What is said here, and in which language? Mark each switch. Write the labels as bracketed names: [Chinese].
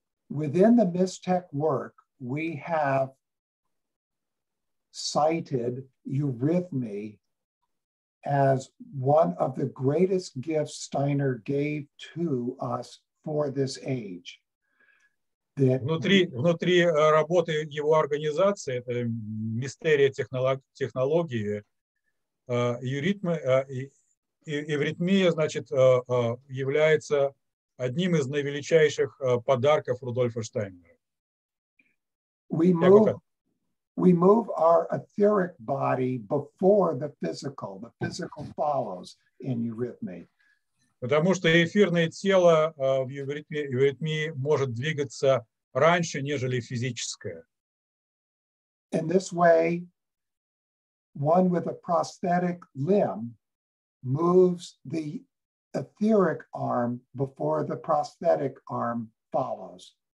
[English] Within the MisTech work, we have cited eurythmy as one of the greatest gifts Steiner gave to us for this age. [Russian] Внутри работы его организации, это мистерия технологии, эвритмия, значит, является одним из наивеличайших подарков Рудольфа Штайнера. [English] We move our etheric body before the physical. The physical follows in eurythmy. [Russian] Потому что эфирное тело в эвритмии может двигаться раньше, нежели физическое. [English] In this way, one with a prosthetic limb moves the etheric arm before the prosthetic arm follows.